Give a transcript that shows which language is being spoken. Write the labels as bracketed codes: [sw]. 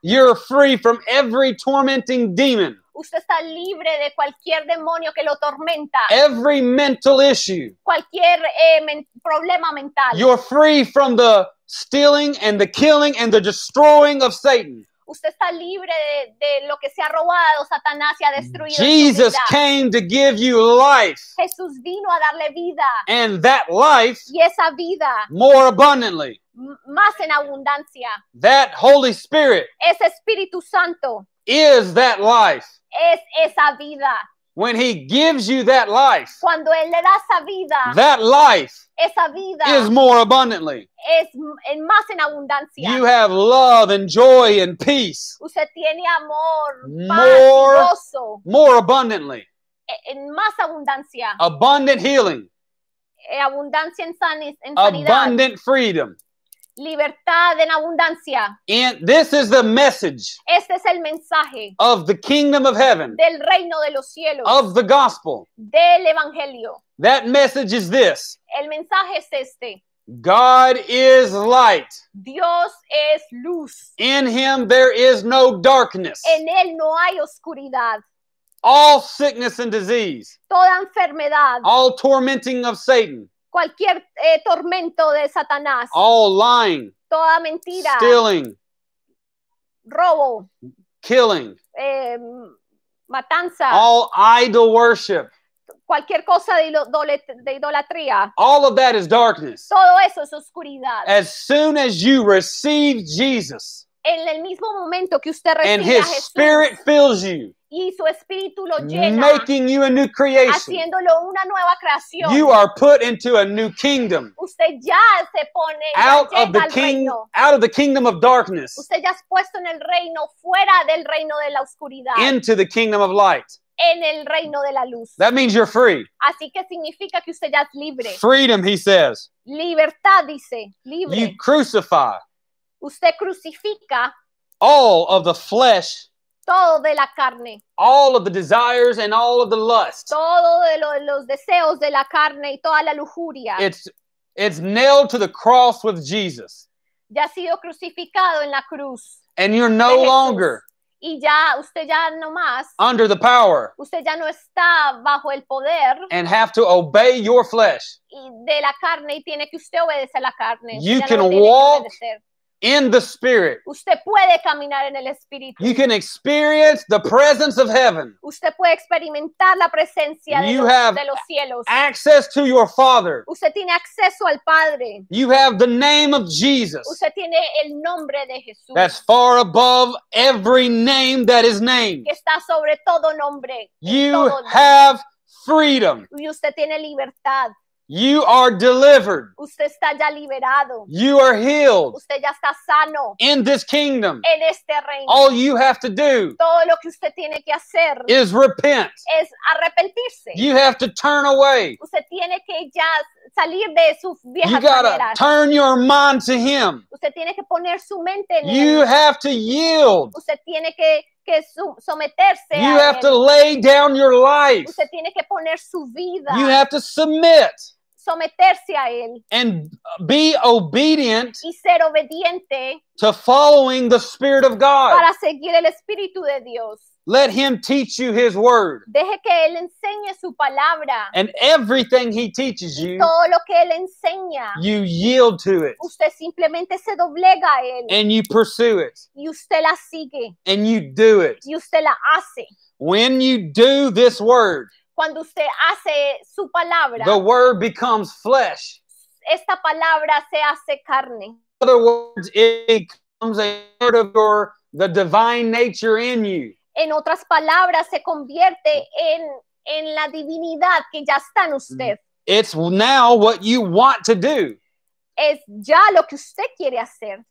[en] You're free from every tormenting demon. [es] Usted está libre de cualquier demonio que lo tormenta. [en] Every mental issue. [es] Cualquier problema mental. [en] You're free from the stealing and the killing and the destroying of Satan. [es] Usted está libre de lo que se ha robado, Satanás se ha destruido. [en] Jesus came to give you life. [es] Jesús vino a darle vida. [en] And that life. [es] Y esa vida. [en] More abundantly. [es] Más en abundancia. [en] That Holy Spirit. [es] Ese Espíritu Santo. [en] Is that life. [es] Es esa vida. [en] When he gives you that life. [es] Cuando él le da esa vida. [en] That life. [es] Esa vida. [en] Is more abundantly. [es] Es en más en abundancia. [en] You have love and joy and peace. [es] Usted tiene amor, more, paz y gozo. [en] More abundantly. [es] En más abundancia. [en] Abundant healing. [es] Abundancia en [en] abundant freedom. [es] Libertad en abundancia. [en] And this is the message. [es] Este es el mensaje. [en] Of the kingdom of heaven. [es] Del reino de los cielos. [en] Of the gospel. [es] Del evangelio. [en] That message is this. [es] El mensaje es este. [en] God is light. [es] Dios es luz. [en] In him there is no darkness. [es] En él no hay oscuridad. [en] All sickness and disease. [es] Toda enfermedad. [en] All tormenting of Satan. [es] Cualquier tormento de Satanás. [en] All lying. [es] Toda mentira. [en] Stealing. [es] Robo. [en] Killing. [es] Matanza. [en] All idol worship. [es] Cualquier cosa de idolatría. [en] All of that is darkness. [es] Todo eso es oscuridad. [en] As soon as you receive Jesus. [es] En el mismo momento que usted recibe a Jesús. [en] And his spirit fills you. [es] Y su espíritu lo llena, [en] making you a new creation. [es] Haciéndolo una nueva creación. [en] You are put into a new kingdom. [es] Usted ya se pone, [en] out, [es] ya [en] of the king, out of the kingdom of darkness. [es] Usted ya es puesto en el reino, fuera del reino de la oscuridad. [en] Into the kingdom of light. [es] En el reino de la luz. [en] That means you're free. [es] Así que significa que usted ya es libre. [en] Freedom, he says. [es] Libertad, dice. Libre. [en] You crucify. [es] Usted crucifica. [en] All of the flesh. [es] Todo de la carne. [en] All of the desires and all of the lust. [es] Todo de los deseos de la carne y toda la lujuria. [en] It's nailed to the cross with Jesus. [es] Ya ha sido crucificado en la cruz. [en] And you're no longer. [es] Y ya, usted ya no más. [en] Under the power. [es] Usted ya no está bajo el poder. [en] And have to obey your flesh. [es] Y de la carne y tiene que usted obedecer la carne. [en] You can walk. In the Spirit. [es] Usted puede caminar en el Espíritu. [en] You can experience the presence of heaven. [es] Usted puede experimentar la presencia de, [en] you [es] los, [en] have [es] de los cielos. [en] Access to your Father. [es] Usted tiene acceso al Padre. [en] You have the name of Jesus. [es] Usted tiene el nombre de Jesús. [en] That's far above every name that is named. [es] Que está sobre todo nombre. [en] You [es] todo nombre. [en] Have freedom. [es] Y usted tiene libertad. [en] You are delivered. [es] Usted está ya liberado. [en] You are healed. [es] Usted ya está sano. [en] In this kingdom. [es] En este reino. [en] All you have to do. [es] Todo lo que usted tiene que hacer. [en] Is repent. [es] Es arrepentirse. [en] You have to turn away. [es] Usted tiene que ya salir de sus viejas maneras. [en] You gotta turn your mind to him. [es] Usted tiene que poner su mente en él. [en] You have to yield. [es] Usted tiene que someterse. [en] You have to lay down your life. [es] Usted tiene que poner su vida. [en] You have to submit. [es] someterse a él. [en] And be obedient. [es] Y ser obediente. [en] To following the Spirit of God. [es] Para seguir el Espíritu de Dios. [en] Let him teach you his word. [es] Deje que él enseñe su palabra. [en] And everything he teaches you. [es] Y todo lo que él enseña. [en] You yield to it. [es] Usted simplemente se doblega a él. [en] And you pursue it. [es] Y usted la sigue. [en] And you do it. [es] Y usted la hace. [en] When you do this word. [es] Cuando usted hace su palabra. [en] The word becomes flesh. [es] Esta palabra se hace carne. [en] In other words, it becomes a part of your, the divine nature in you. [es] En otras palabras, se convierte en la divinidad que ya está en usted. [en] It's now what you want to do. [es] Es ya lo que usted quiere hacer.